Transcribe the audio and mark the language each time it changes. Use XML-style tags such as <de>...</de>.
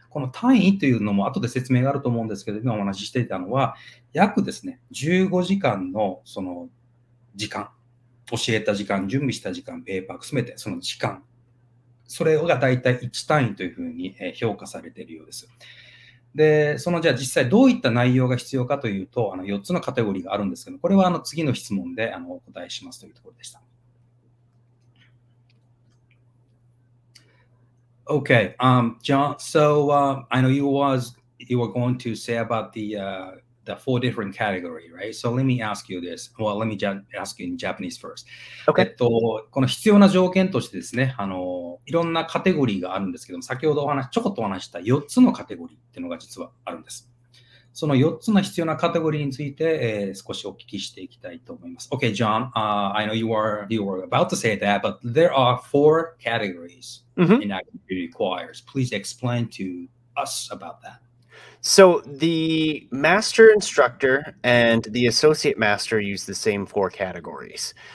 <ja>この単位というのも後で説明があると思うんですけど、今お話ししていたのは約ですね、15時間のその時間、教えた時間、準備した時間、ペーパー含めてその時間、それがだいたい1単位というふうに評価されているようです。で、そのじゃあ実際どういった内容が必要かというと、4つのカテゴリーがあるんですけど、これは次の質問でお答えしますというところでした。</ja> <en>Okay, John, so I know you were going to say about the four different category, right? So let me ask you this. Well, let me ask you in Japanese first. Okay.</en> <ja>この必要な条件としてですね、いろんなカテゴリーがあるんですけども、先ほどちょこっとお話した4つのカテゴリーっていうのが実はあるんです。その4つの必要なカテゴリーについて、少しお聞きしていきたいと思います。</ja> <en>Okay, John, I know you were about to say that, but there are four categories、mm-hmm. in activity requires. Please explain to us about that. So the master instructor and the associate master use the same four categories.</en>